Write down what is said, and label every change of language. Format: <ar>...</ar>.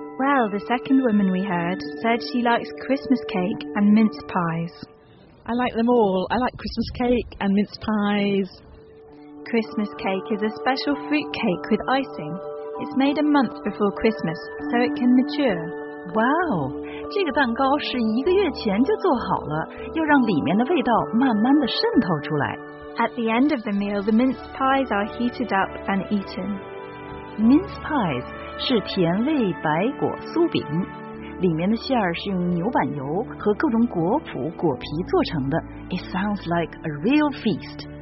<en>Well, the second woman we heard said she likes Christmas cake and mince pies. I like them all. I like Christmas cake and mince pies. Christmas cake is a special fruit cake with icing. It's made a month before Christmas, so it can mature. Wow!</en> <zh>这个蛋糕是一个月前就做好了，要让里面的味道慢慢地渗透出来。</zh> <en>At the end of the meal, the mince pies are heated up and eaten.</en> <zh>Mince pies 是甜味白果酥饼，里面的馅儿是用牛板油和各种果脯果皮做成的。</zh> <en>It sounds like a real feast.</en>